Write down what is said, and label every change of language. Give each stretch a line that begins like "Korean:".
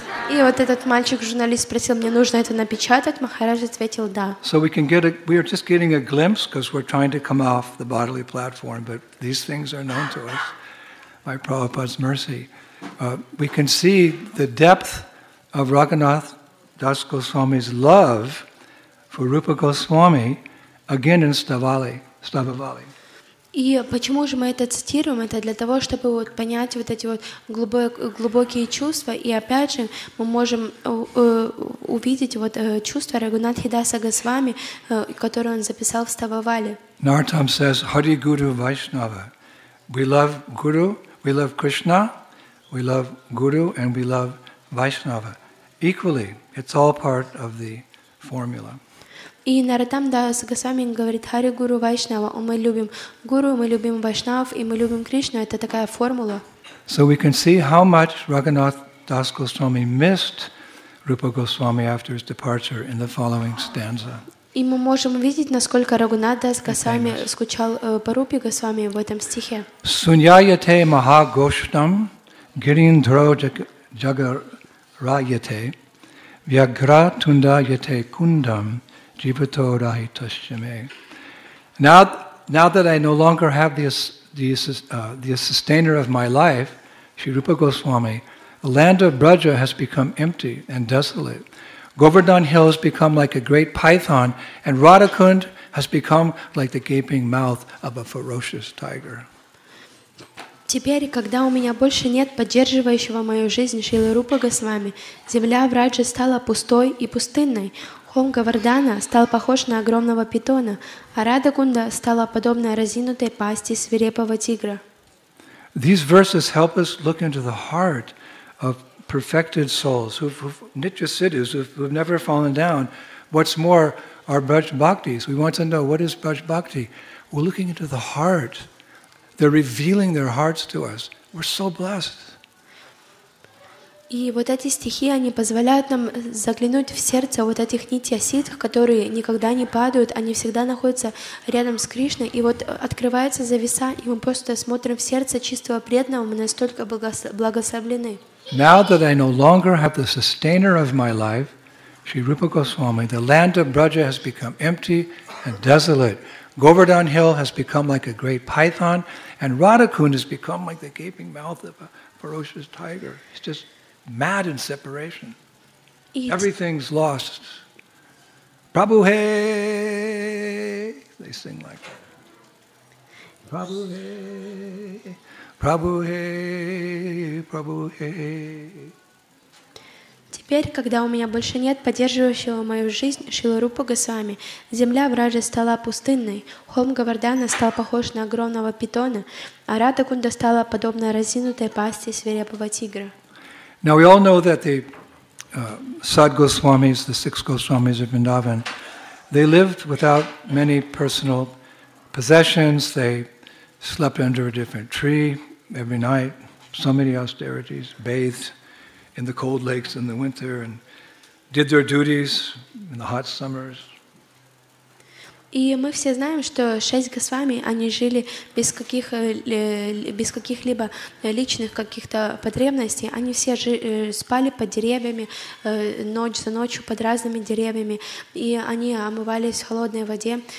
Russian: И вот этот мальчик-журналист спросил, мне нужно это напечатать? Махарадж ответил, да.
English: So we are just getting a glimpse because we're trying to come off the bodily platform, but these things are known to us by Prabhupada's mercy. We can see the depth of Raghunath Das Goswami's love for Rupa Goswami again in Stavavali.
Russian: И почему же мы это цитируем? Это для того, чтобы вот понять вот эти вот глубокие чувства. И опять же, мы можем увидеть вот чувства Рагунатхи Даса Госвами, которые он записал в Стававале.
English: Нартам says, Hari Guru Vaishnava. We love Guru, we love Krishna, we love Guru, and we love Vaishnava. Equally, it's all part of the formula.
Russian: И Наратам Дас Госвами говорит, Хари Гуру Вайшнава, мы любим Гуру, мы любим Вайшнав, и мы любим Кришну. Это такая формула.
English: So we can see how much Raghunath Das Goswami missed Rupa Goswami after his departure in the following stanza.
Russian: И мы можем увидеть, насколько Рагунат Дас Госвами скучал по Рупе Госвами в этом стихе.
Sanskrit: Суньяяте Махагоштам Гириндро Джагараяте Вьягра Тундаяте Кундам Jivato Rahitashyame.
English: Now that I no longer have the sustainer of my life, Sri Rupa Goswami, the land of Braja has become empty and desolate. Govardhan Hill has become like a great python, and Radhakund has become like the gaping mouth of a ferocious tiger.
Russian: Теперь, когда у меня больше нет поддерживающего мою жизнь Шрилы Рупа Госвами, земля Враджи стала пустой и пустынной. Холм Говардана стал похож на огромного питона, а Радхакунда стала подобна разинутой пасти свирепого тигра.
English: These verses help us look into the heart of perfected souls who've nitya siddhis, who've never fallen down. What's more, our Braj Bhaktis. We want to know what is Braj Bhakti. We're looking into the heart. They're revealing their hearts to us. We're so blessed.
Russian: И вот эти стихи, они позволяют нам заглянуть в сердце вот этих нитья ситх, которые никогда не падают, они всегда находятся рядом с Кришной. И вот открывается завеса, и мы просто смотрим в сердце чистого преданного, мы настолько благословлены.
English: Now that I no longer have the sustainer of my life, Sri Rupa Goswami, the land of Braja has become empty and desolate. Govardhan Hill has become like a great python, and Radhakund has become like the gaping mouth of a ferocious tiger. It's just mad in separation. Everything's lost. Prabhu hey, they sing like Prabhu hey, Prabhu hey, Prabhu hey.
Russian: Теперь, когда у меня больше нет поддерживающего мою жизнь Шрилы Рупы Госвами, земля Враджи стала пустынной, холм Говардана стал похож на огромного питона, а Радхакунда стала подобна разинутой пасти свирепого тигра.
English: Now we all know that the Sad Goswamis, the six Goswamis of Vrindavan, they lived without many personal possessions. They slept under a different tree every night, so many austerities, bathed in the cold lakes in the winter, and did their duties in the hot summers.
Russian: И мы все знаем, что шесть госвами, они жили без каких-либо личных каких-то потребностей. Они все спали под деревьями, ночь за ночью под разными деревьями. И они омывались в холодной воде.